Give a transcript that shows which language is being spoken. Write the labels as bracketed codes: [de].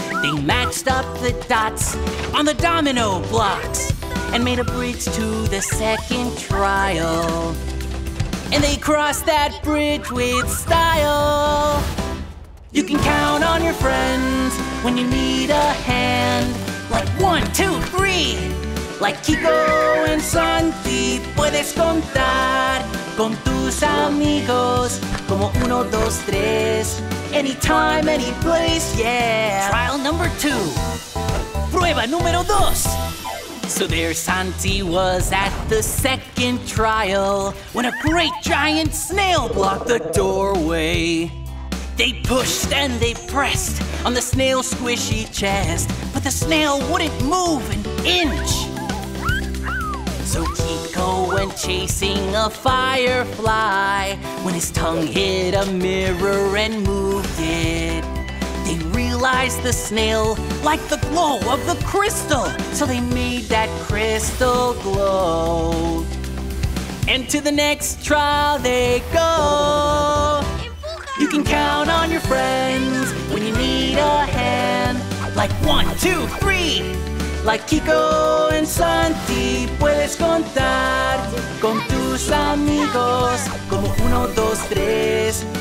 [en] They matched up the dots on the domino blocks and made a bridge to the second trial. And they crossed that bridge with style. You can count on your friends when you need a hand. Like one, two, three. Like Kiko and Santi, [es] puedes contar con tus amigos como uno, dos, tres. [en] Anytime, any place, yeah. Trial number two. [es] Prueba número dos. [en] So there Santi was at the second trial when a great giant snail blocked the doorway. They pushed and they pressed on the snail's squishy chest, but the snail wouldn't move an inch. So Kiko went chasing a firefly when his tongue hit a mirror and moved it. They realized the snail liked the glow of the crystal, so they made that crystal glow. And to the next trial they go. You can count on your friends when you need a hand. Like one, two, three. Like Kiko and Santi, [es] puedes contar con tus amigos como uno, dos, tres.